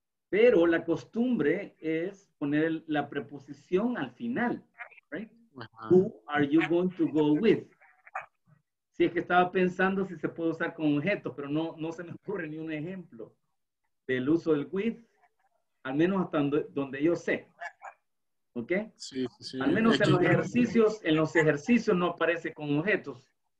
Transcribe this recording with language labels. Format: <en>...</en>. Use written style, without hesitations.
<es>Pero la costumbre es poner la preposición al final, right?</es> <en>Uh-huh. Who are you going to go with?</en> <es>Si es que estaba pensando si se puede usar con objetos, pero no se me ocurre ni un ejemplo. del uso del with, al menos hasta donde yo sé. ¿Ok? Sí, sí. Al menos en los ejercicios, no aparece con objetos.</es>